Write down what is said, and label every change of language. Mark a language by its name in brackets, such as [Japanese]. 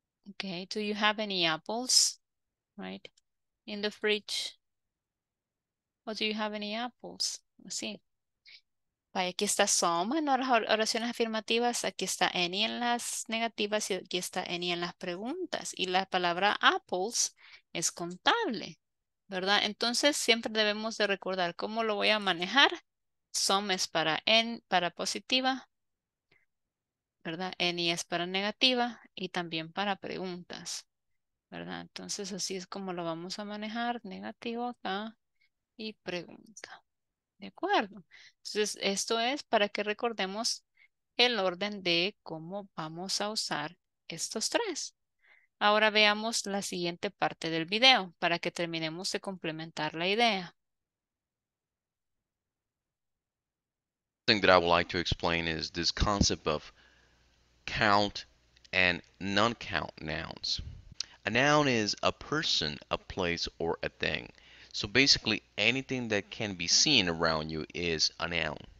[English] Okay, do you have any apples, right, in the fridge? Or do you have any apples? Sí. [Spanish] Vaya, aquí está some en las oraciones afirmativas, aquí está any en las negativas y aquí está any en las preguntas. Y la palabra apples es contable, ¿verdad? Entonces, siempre debemos de recordar cómo lo voy a manejar. Some es para en, para positiva, ¿verdad? Any es para negativa y también para preguntas, ¿verdad? Entonces, así es como lo vamos a manejar, negativo acá y pregunta, ¿de acuerdo? Entonces, esto es para que recordemos el orden de cómo vamos a usar estos tres. Ahora veamos la siguiente parte del video para que terminemos de complementar la idea. [English] That I would like to explain is this concept of count and non-count nouns. A noun is a person, a place, or a thing. So basically anything that can be seen around you is a noun.